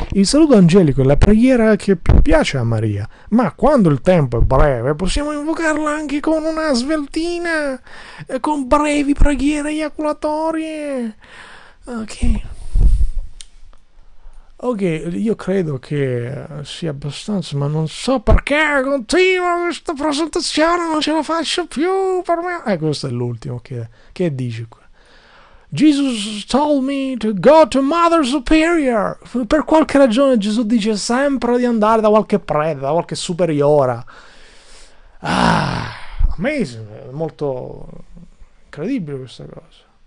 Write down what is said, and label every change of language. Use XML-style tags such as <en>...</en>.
<it>Il saluto angelico è la preghiera che più piace a Maria, ma quando il tempo è breve possiamo invocarla anche con una sveltina, con brevi preghiere eiaculatorie. Ok, io credo che sia abbastanza, ma non so perché continua questa presentazione, non ce la faccio più per me. Questo è l'ultimo che dici qua.</it> <en>Jesus told me to go to Mother Superior.</en> <it>Per qualche ragione Gesù dice sempre di andare da qualche prete, da qualche superiora. Ah, amazing, molto incredibile questa cosa.</it>